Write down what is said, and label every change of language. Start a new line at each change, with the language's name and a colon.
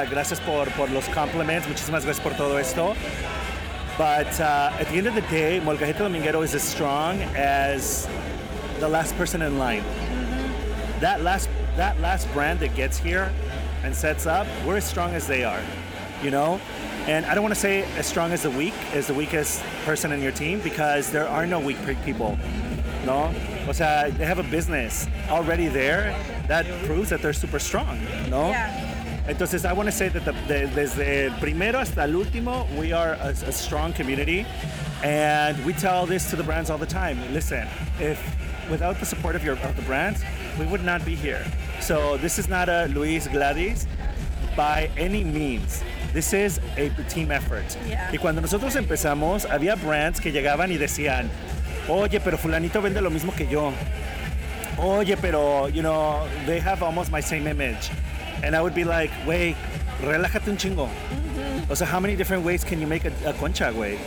Spanish: Gracias por los compliments, muchísimas gracias por todo esto.
English: But at the end of the day, Molcajete Dominguero is as strong as the last person in line. Mm-hmm. That last brand that gets here and sets up, we're as strong as they are, you know? And I don't want to say as strong as the weakest person in your team, because there are no weak people, no?
Spanish: O sea,
English: they have a business already there that proves that they're super strong, no? Yeah.
Spanish: Entonces,
English: I want to say that
Spanish: desde el primero hasta el último,
English: we are a strong community. And we tell this to the brands all the time. Listen, if without the support of the brands, we would not be here. So this is not a Luis Gladys by any means. This is a team effort. Yeah.
Spanish: Y cuando nosotros empezamos, había brands que llegaban y decían, oye, pero fulanito vende lo mismo que yo. Oye, pero,
English: you know, they have almost my same image. And I would be like, wait,
Spanish: relájate un chingo. Mm-hmm. O sea,
English: how many different ways can you make a concha, güey?